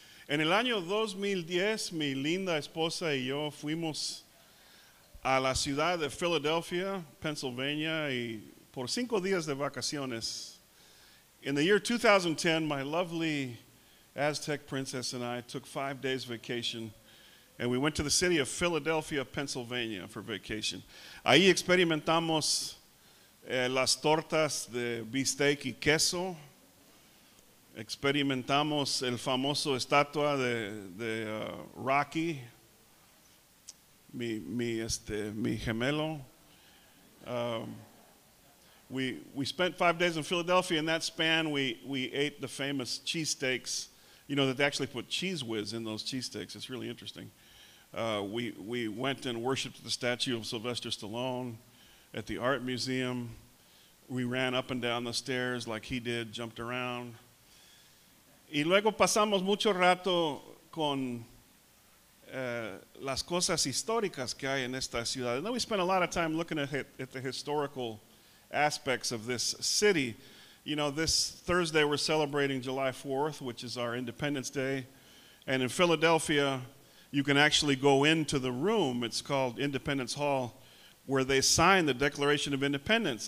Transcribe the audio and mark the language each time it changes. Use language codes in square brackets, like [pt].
[es] En el año 2010, mi linda esposa y yo fuimos a la ciudad de Philadelphia, Pennsylvania, y por 5 días de vacaciones. [en] In the year 2010, my lovely Aztec princess and I took 5 days vacation. And we went to the city of Philadelphia, Pennsylvania for vacation. [es] Ahí experimentamos las tortas de bistec y queso. Experimentamos el famoso estatua de Rocky, mi gemelo. [en] We spent 5 days in Philadelphia. In that span, we ate the famous cheesesteaks. You know that they actually put cheese whiz in those cheesesteaks. It's really interesting. We went and worshiped the statue of Sylvester Stallone at the art museum. We ran up and down the stairs like he did, jumped around. [es] Y luego pasamos mucho rato con las cosas históricas que hay en esta ciudad. [en] And then we spent a lot of time looking at the historical aspects of this city. You know, this Thursday we're celebrating July 4th, which is our Independence Day. And in Philadelphia, you can actually go into the room, it's called Independence Hall, where they sign the Declaration of Independence.